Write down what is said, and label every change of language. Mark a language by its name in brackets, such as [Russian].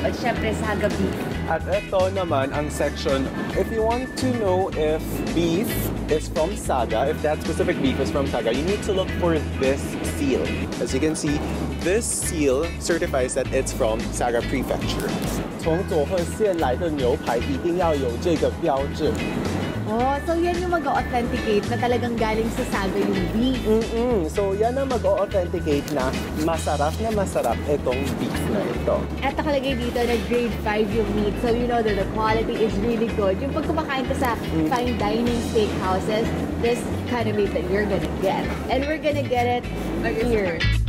[Filipino] But syempre, [English] Saga beef. [Filipino] At ito naman ang section. [English] If you want to know if beef is from Saga, if that specific beef is from Saga, you need to look for this seal. As you can see, this seal certifies that it's from Saga Prefecture. [Chinese] 从佐贺县来的牛排一定要有这个标志。 [Filipino] Oh, so yan yung mag-authenticate na talagang galing sa Saga yung beef. Mm-mm. So yan ang mag-authenticate na masarap itong beef na ito. At nakalagay dito na grade 5 yung meat. [English] So you know that the quality is really good. [Filipino] Yung pag kumakain ka sa [English] fine dining steakhouses, this kind of meat that you're gonna get. And we're gonna get it here.